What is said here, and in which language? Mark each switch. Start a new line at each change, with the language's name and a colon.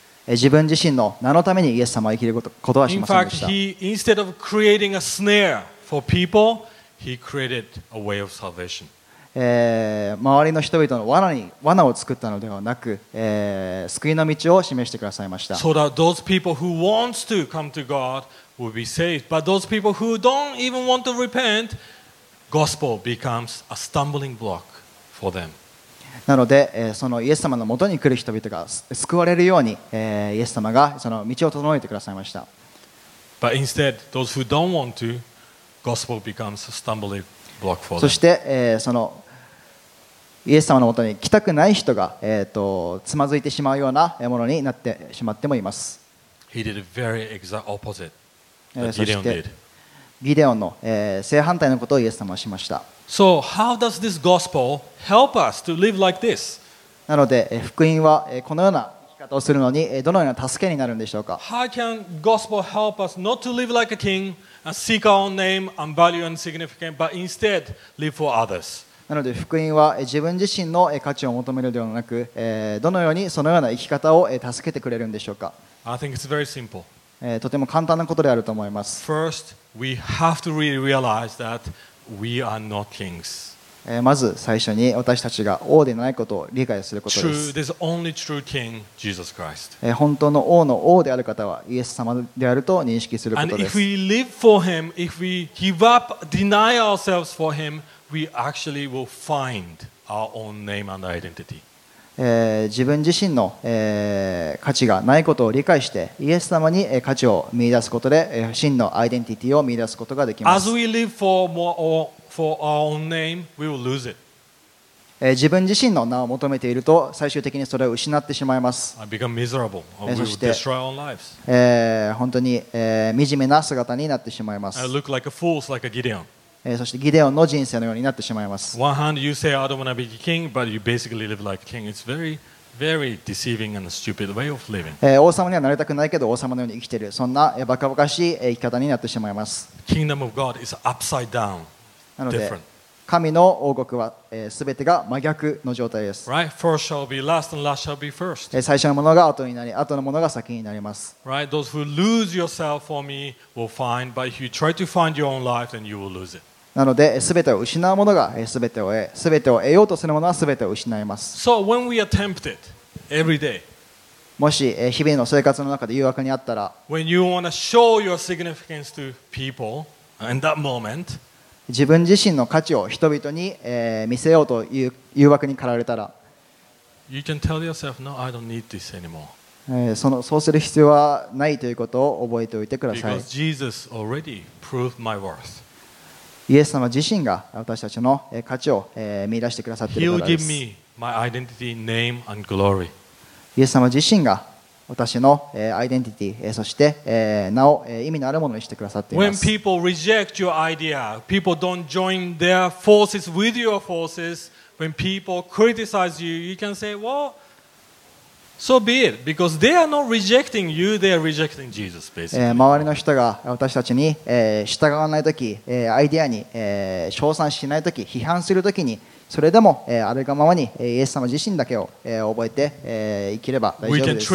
Japanese: 自分自身の名のためにイエス様は生きることはしませんでした。
English: In fact, he, instead of creating a snare for people, he created a way of salvation.
Japanese: 周りの人々の罠を作ったのではなく、救いの道を示してくださいました。
English: So that those people who want to come to God will be saved. But those people who don't even want to repent, gospel becomes a stumbling block for them.
Japanese: なので、そのイエス様のもとに来る人々が救われるように、イエス様がその道を整えてくださいました。
English: But instead, those who don't want to, gospel becomes a stumbling block for them.
Japanese: そして、そのイエス様のもとに来たくない人が、つまずいてしまうようなものになってしまってもいます。
English: He did a very exact opposite that Gideon did.
Japanese: ギデオンの、正反対のことをイエス様はしました。
English: So how does this gospel help us to live like this?
Japanese: なので、福音はこのような生き方をするのにどのような助けになるんでしょうか。
English: How can gospel help us not to live like a king and seek our own name and value and significance, but instead live for others?
Japanese: なので、福音は自分自身の価値を求めるではなく、どのようにそのような生き方を助けてくれるんでしょうか。
English: I think it's very simple.
Japanese: とても簡単なことであると思います。
English: First, we have to really realize thatWe are not kings.
Japanese: まず最初に私たちが王でないことを理解することです。
English: True, there's only true king, Jesus Christ.
Japanese: 本当の王の王である方はイエス様であると認識することです。
English: And if we live for him, if we give up, deny ourselves for him, we actually will find our own name and identity.
Japanese: 自分自身の、価値がないことを理解して、イエス様に価値を見出すことで、真のアイデンティティを見出すことができます。
English: As we live for our own name, we will lose it.
Japanese: 自分自身の名を求めていると、最終的にそれを失ってしまいます。
English: I become miserable. We will destroy our lives.
Japanese: 本当に、惨めな姿になってしまいます。
English: I look like a fool, like a Gideon.
Japanese: そしてギデオンの人生のようになってしまいます。
English: One hand you say I don't want to be a king, but you basically live like a king. It's very, very deceiving and a stupid way of living.
Japanese: 王様にはなりたくないけど王様のように生きている、そんなバカバカしい生き方になってしまいます。
English: Kingdom of God is upside down, different.
Japanese: 神の王国はすべてが真逆の状態です。
English: Right, first shall be last, and last shall be first.
Japanese: 最初のものが後になり、後のものが先になります。
English: Right, those who lose yourself for me will find, but if you try to find your own life, then you will lose it.
Japanese: なので、すべてを失うものがすべてを得、すべてを得ようとするものはすべてを失います。
English: So when we are tempted every day,
Japanese: もし日々の生活の中で誘惑にあったら、
English: when you want to show your significance to people in that moment,
Japanese: 自分自身の価値を人々に見せようという誘惑に駆られたら、
English: you can tell yourself, no, I don't need this anymore.
Japanese: そうする必要はないということを覚えておいてください。
English: Because Jesus already proved my worth.
Japanese: イエス様自身が私たちの価値を見出してくださっているからです。
English: He'll give me my identity, name, and glory.
Japanese: イエス様自身が私の、アイデンティティ、そして、名を、意味のあるものにしてくださっています。
English: When people reject your idea, people don't join their forces with your forces. When people criticize you, you can say, well, so be it. Because they are not rejecting you, they are rejecting Jesus, basically.
Japanese: 周りの人が私たちに、従わないとき、アイデアに、称賛しないとき、批判するときに、それでも、あるがままに、イエス様自身だけを、覚えて、生きれば大丈夫です。